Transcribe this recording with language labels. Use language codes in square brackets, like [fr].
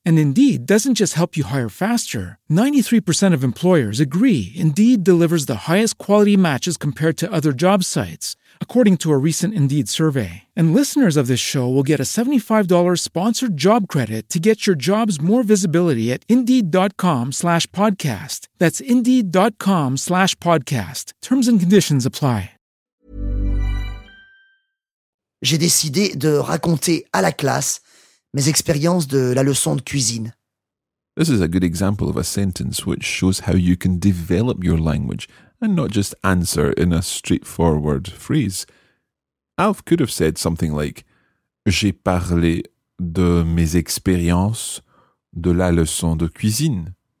[en] And Indeed doesn't just help you hire faster. 93% of employers agree Indeed delivers the highest quality matches compared to other job sites, according to a recent Indeed survey. And listeners of this show will get a $75 sponsored job credit to get your jobs more visibility at Indeed.com/podcast. That's Indeed.com/podcast. Terms and conditions apply. [fr] J'ai décidé de raconter à la classe mes expériences de la leçon de cuisine. [en] This is a good example of a sentence which shows how you can develop your language and not just answer in a straightforward phrase. Alf could have said something like, [fr] j'ai parlé de mes expériences de la leçon de cuisine.